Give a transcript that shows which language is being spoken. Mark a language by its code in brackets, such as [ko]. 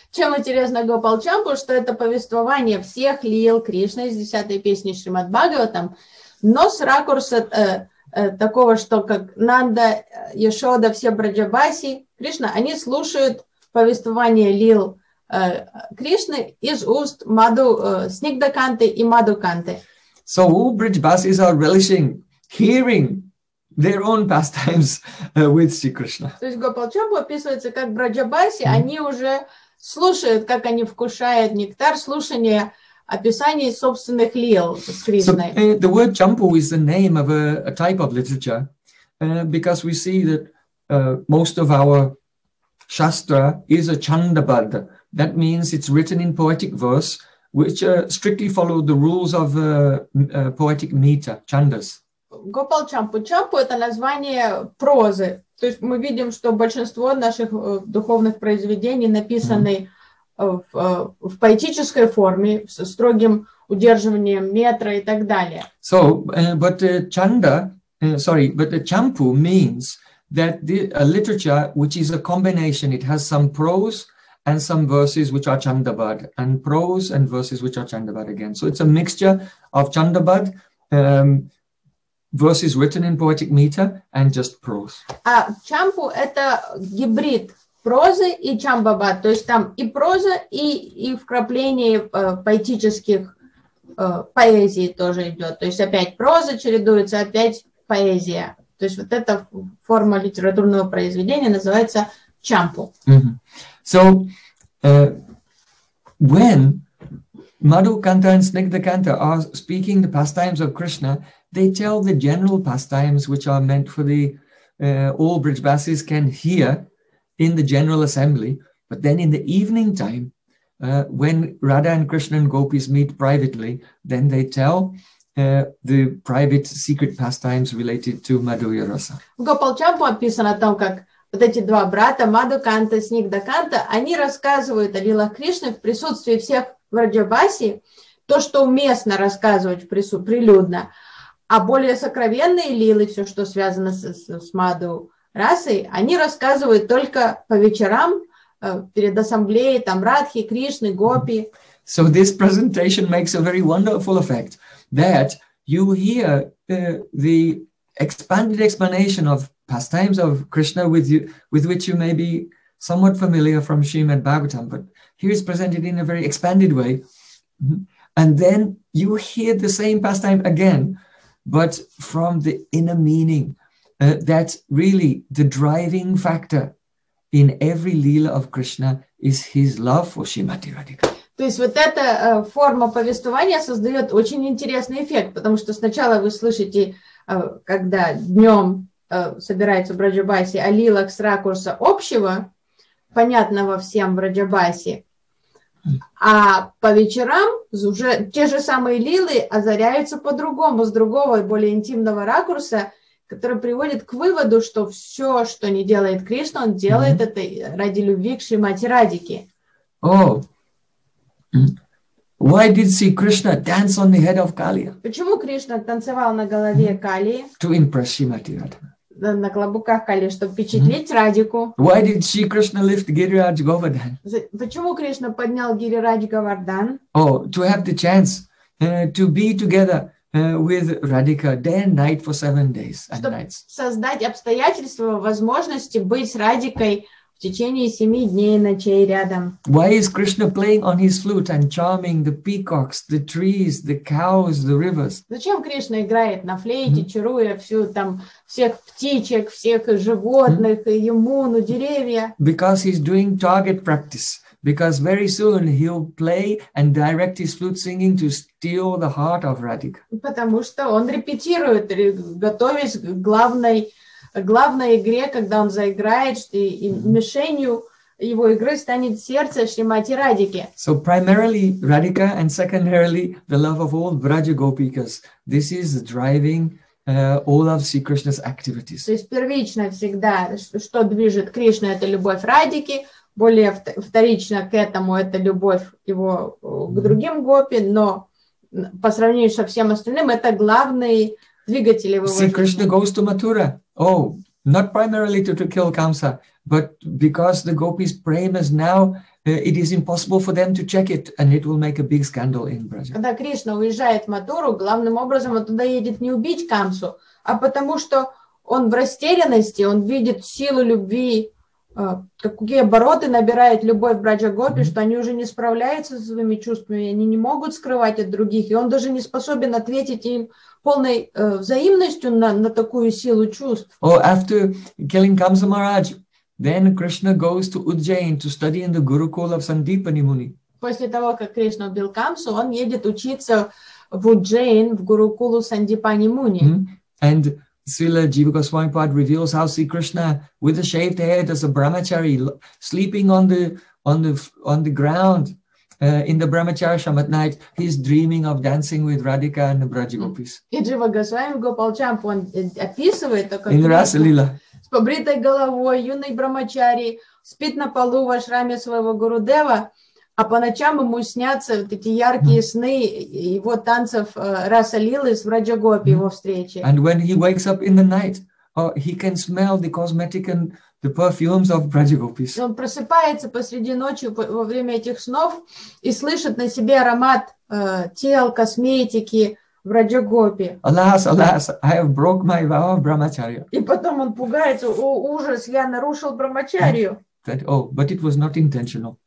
[ru] Чем интересно Гопал Чампу, что это повествование всех лил Кришны из 10-й песни Шримад Бхагаватам, но с ракурса такого, что как Нанда, Яшода, все Брджабаси, Кришна, они слушают повествование лил Кришны из уст Маду, Снигдха Канты и Маду Канты. [en] So all Brijbasis are relishing hearing their own pastimes with Sri Krishna. [ru] То есть Гопал Чампу описывается как Брджабаси, они уже слушают, как они вкушают нектар слушания описаний собственных лил с Кришной. [en] So, the word Champu is the name of a type of literature because we see that most of our Shastra is a Chandabad. That means it's written in poetic verse, which strictly follow the rules of poetic meter, chandas. [ru] Gopal Champu. Champu – это название прозы. То есть мы видим, что большинство наших духовных произведений написаны в поэтической форме, со строгим удерживанием метра и так далее. [en] So, but Champu means that the literature, which is a combination, it has some prose, and some verses which are Chandabad, and prose and verses which are Chandabad again. So it's a mixture of Chandabad, verses written in poetic meter, and just prose. [ru] А Чампу – это гибрид прозы и Чандабад, то есть там и проза, и вкрапление поэтических поэзии тоже идет. То есть опять проза чередуется, опять поэзия. То есть вот эта форма литературного произведения называется Чампу. [en] So, when Madhu Kanta and Snigdha Kanta are speaking the pastimes of Krishna, they tell the general pastimes which are meant for the all Brijbasis can hear in the general assembly. But then in the evening time, when Radha and Krishna and gopis meet privately, then they tell the private secret pastimes related to Madhurya Rasa. [ru] Gopal Champu описано там как вот эти два брата, Маду Канта, Снигдха Канта, они рассказывают о лилах Кришны в присутствии всех в Раджабаси, то, что уместно рассказывать прилюдно, а более сокровенные лилы, все, что связано с Маду Расой, они рассказывают только по вечерам, перед ассамблеей, там, Радхи, Кришны, Гопи. [en] So this presentation makes a very wonderful effect that you hear the expanded explanation of pastimes of Krishna with which you may be somewhat familiar from Srimad Bhagavatam, but here is presented in a very expanded way. And then you hear the same pastime again, but from the inner meaning. That's really the driving factor in every lila of Krishna is his love for Srimati Radhika. [ru] То есть вот эта форма повествования создает очень интересный эффект, потому что сначала вы слышите, когда днем собирается Брджабаси, а лилах с ракурса общего, понятного всем Брджабаси, а по вечерам уже те же самые лилы озаряются по-другому, с другого и более интимного ракурса, который приводит к выводу, что все, что не делает Кришна, он делает это ради любви к Шримати Радике. О, oh. [en] Why did Sri Krishna dance on the head of Kali? [ru] Почему Кришна танцевал на голове Кали? [en] To impress Шримати Радхе. [ru] На клобуках Кали, чтобы впечатлить Радику. [en] Why did Sri Krishna lift Giriraj Govardhan? [ru] Почему Кришна поднял Гирирадж Говардан? [en] Oh, to have the chance to be together with Radhika day and night for 7 days and [ru] чтобы [en] nights. [ru] Создать обстоятельства, возможности быть с Радикой В течение 7 дней ночей рядом. [en] Why is Krishna playing on his flute and charming the peacocks, the trees, the cows, the rivers? [ru] Зачем Кришна играет на флейте, чаруя всю там всех птичек, всех животных, и ему, ну, деревья? [en] Because he's doing target practice. Because very soon he'll play and direct his flute singing to steal the heart of Radhika. [ru] Потому что он репетирует, готовясь к главной игре, когда он заиграет, и мишенью его игры станет сердце Шримати Радики. [en] So primarily Radhika and secondarily the love of all Braja Gopikas. This is driving all of Sri Krishna's activities. [ru] То есть первично всегда, что движет Кришну, это любовь Радики. Более вторично к этому, это любовь его к другим гопи, но по сравнению со всем остальным, это главный двигатель его жизни. [en] See, Krishna goes to Mathura. Oh, not primarily to kill Kamsa, but because the gopis' prema is now, it is impossible for them to check it, and it will make a big scandal in Braja. [ru] Когда Кришна уезжает в Матуру, главным образом он туда едет не убить Камсу, а потому что он в растерянности, он видит силу любви, какие обороты набирает любовь Браджа Гопи, что они уже не справляются со своими чувствами, они не могут скрывать от других, и он даже не способен ответить им полной взаимностью на такую силу чувств. [en] Oh, after killing Kamsa Maharaj, then Krishna goes to Ujjain to study in the Gurukul of Sandipani Muni. [ru] После того, как Кришна убил Камсу, он едет учиться в Ujjain, в Гурукулу Сандипани Муни. [en] And Srila Jiva Gosvami Pad reveals how Sri Krishna, with a shaved head as a brahmachari, sleeping on the ground in the brahmacharisham at night, he's dreaming of dancing with Radhika and the Braja Gopis. [ru] И Джива Госвами Гопалчам, он описывает такое. [en] In Rasalila. [ru] С побритой головой юный брахмачари спит на полу в ашраме своего гурудева, а по ночам ему снятся вот эти яркие сны его танцев Расалилы с Враджа Гопи, его встречи. [en] And when he wakes up in the night, he can smell the cosmetic and the perfumes of Braja Gopis. [ru] Он просыпается посреди ночи во время этих снов и слышит на себе аромат тел, косметики Враджа Гопи. [en] Alas, alas, I have broke my vow of brahmacharya. [ru] И потом он пугается: о, ужас, я нарушил брахмачарию. [en] That, oh, but it was not intentional.